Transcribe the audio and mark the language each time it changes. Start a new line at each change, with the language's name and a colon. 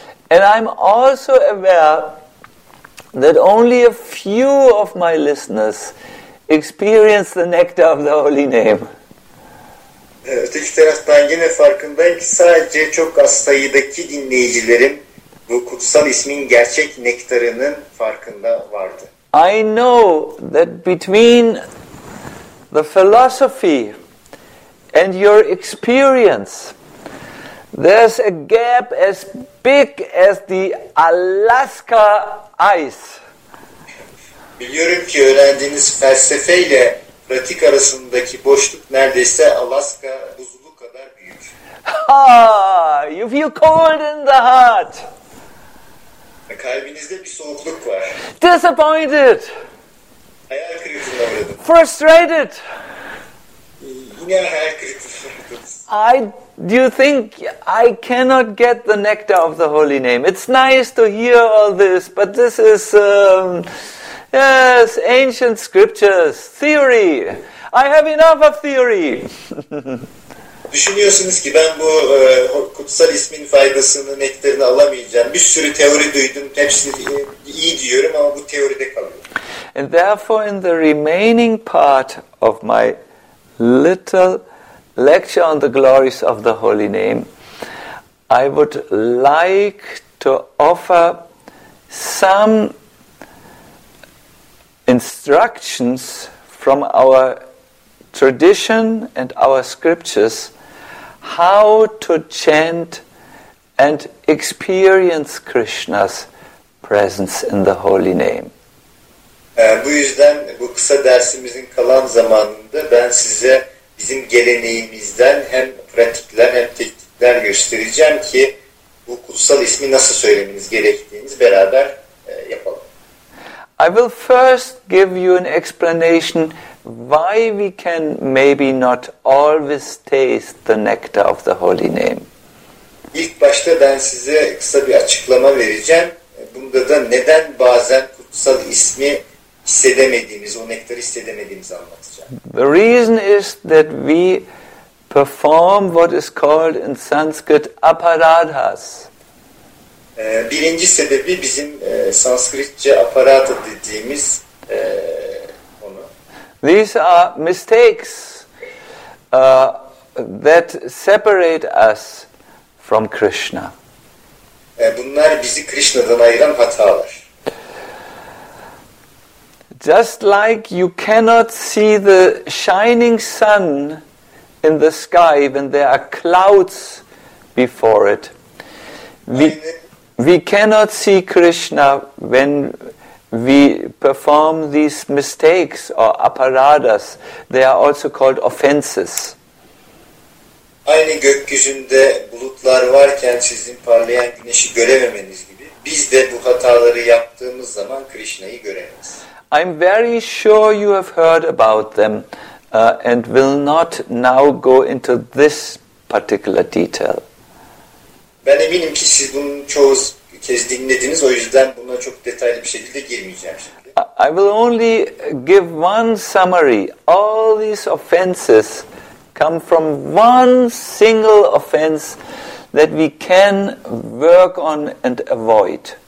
English: And I'm also aware that only a few of my listeners experience the nectar of the holy name.
Turkish: öteki taraftan yine farkındayım ki sadece çok az sayıdaki dinleyicilerin bu kutsal ismin gerçek nektarının farkında vardı.
English: I know that between the philosophy and your experience, there's a gap as big as the Alaska ice.
Turkish: Biliyorum ki öğrendiğiniz felsefe ile pratik arasındaki boşluk neredeyse Alaska buzulu kadar büyük.
English: Ha, you feel cold in the heart.
Turkish: Kalbinizde bir soğukluk var.
English: Disappointed.
Turkish: Hayal kırıklığına uğradım.
English: Frustrated.
Turkish: Yine hayal kırıklığına uğradım.
English: Do you think I cannot get the nectar of the holy name? It's nice to hear all this, but this is, yes, ancient scriptures, theory. I have enough of theory.
Turkish: Düşünüyorsunuz ki ben bu kutsal ismin faydasını, nektarını alamayacağım. Bir sürü teori duydum, hepsini iyi diyorum ama bu teoride kalıyor.
English: And therefore in the remaining part of my little lecture on the glories of the holy name, I would like to offer some instructions from our tradition and our scriptures how to chant and experience Krishna's presence in the holy name.
Turkish: Bu yüzden bu kısa dersimizin kalan zamanında ben size bizim geleneğimizden hem pratikler hem teknikler göstereceğim ki bu kutsal ismi nasıl söylemeniz gerektiğini beraber yapalım.
English: I will first give you an explanation why we can maybe not always taste the nectar of the holy name.
Turkish: İlk başta ben size kısa bir açıklama vereceğim. Bunda da neden bazen kutsal ismi hissedemediğimiz, o nektarı hissedemediğimiz anlatacağım.
English: The reason is that we perform what is called in Sanskrit aparadhas.
Turkish: Birinci sebebi bizim Sanskritçe aparadha dediğimiz onu.
English: These are mistakes that separate us from Krishna.
Turkish: Bunlar bizi Krishna'dan ayıran hatalar.
English: Just like you cannot see the shining sun in the sky when there are clouds before it, we cannot see Krishna when we perform these mistakes or aparadhas. They are also called offenses.
Turkish: Aynı gökyüzünde bulutlar varken sizin parlayan güneşi görememeniz gibi, biz de bu hataları yaptığımız zaman Krishna'yı göremeyiz.
English: I'm very sure you have heard about them and will not now go into this particular detail.
Turkish: Ben eminim ki siz bunu çoğu kez dinlediniz, o yüzden buna çok detaylı bir şekilde girmeyeceğim şimdi.
English: I will only give one summary. All these offenses come from one single offense that we can work on and avoid.